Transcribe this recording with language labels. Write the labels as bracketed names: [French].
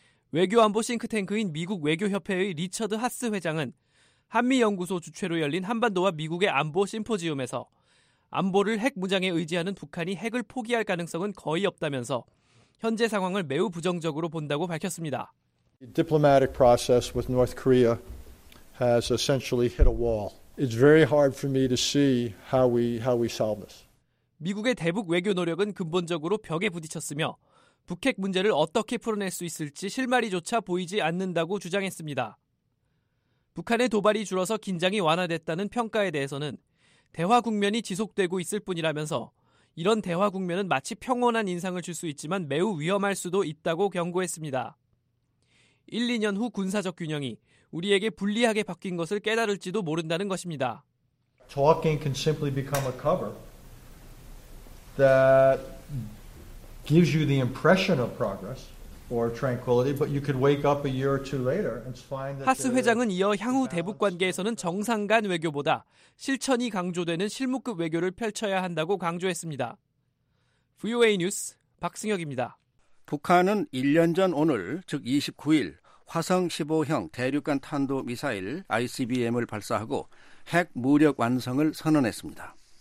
[Korean] 외교안보 싱크탱크인 미국 외교협회의 리처드 하스 회장은 한미연구소 주최로 열린 한반도와 미국의 안보 심포지엄에서 안보를 핵 무장에 의지하는 북한이 핵을 포기할 가능성은 거의 없다면서 현재 상황을 매우 부정적으로 본다고 밝혔습니다. [English] Diplomatic process with North Korea has essentially hit a wall. It's very hard for me to see how we solve this. [Korean] 미국의 대북 외교 노력은 근본적으로 벽에 부딪혔으며 북핵 문제를 어떻게 풀어낼 수 있을지 실마리조차 보이지 않는다고 주장했습니다. 북한의 도발이 줄어서 긴장이 완화됐다는 평가에 대해서는 대화 국면이 지속되고 있을 뿐이라면서 이런 대화 국면은 마치 평온한 인상을 줄 수 있지만 매우 위험할 수도 있다고 경고했습니다. 1, 2년 후 군사적 균형이 우리에게 불리하게 바뀐 것을 깨달을지도 모른다는 것입니다. [English] talking can simply become a cover that gives you the impression of progress or tranquility, but you could wake up a year or two later and find that. [Korean] 하스 회장은 이어 향후 대북 관계에서는 정상 간 외교보다 실천이 강조되는 실무급 외교를 펼쳐야 한다고 강조했습니다. VOA 뉴스 박승혁입니다. 북한은 1년 전 오늘, 즉 29일 화성 15형 대륙간 탄도 미사일 ICBM을 발사하고 핵 무력 완성을 선언했습니다.